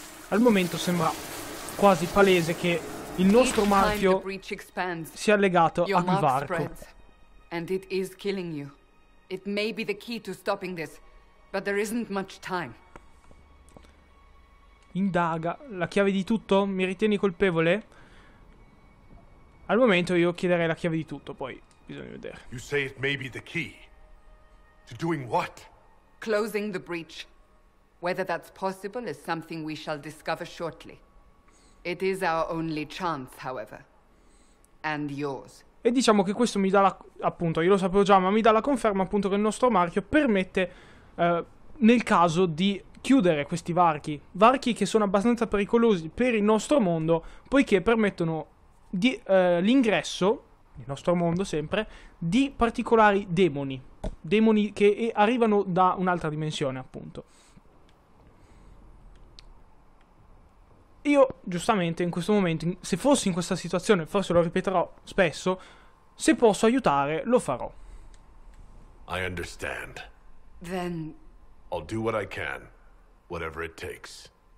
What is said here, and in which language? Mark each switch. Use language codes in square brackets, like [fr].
[it] Al momento sembra quasi palese che il nostro marchio sia legato a Kuvarko. [en] And it is killing you. It may be the key to stopping this, but there isn't much time. [it] Indaga, la chiave di tutto? Mi ritieni colpevole? Al momento io chiederei la chiave di tutto, poi bisogna vedere. [en] You say it may be the key. To doing what? Closing the breach. Whether that's possible is something we shall discover shortly. It is our only chance, however. And yours. [it] E diciamo che questo mi dà la, appunto, io lo sapevo già, ma mi dà la conferma appunto che il nostro marchio permette, nel caso, di chiudere questi varchi. Varchi che sono abbastanza pericolosi per il nostro mondo, poiché permettono di, l'ingresso, nel nostro mondo sempre, di particolari demoni. Demoni che arrivano da un'altra dimensione, appunto. Io, giustamente, in questo momento, se fossi in questa situazione, forse lo ripeterò spesso, se posso aiutare, lo farò. [en] I understand. Then I'll do what I can, whatever it takes.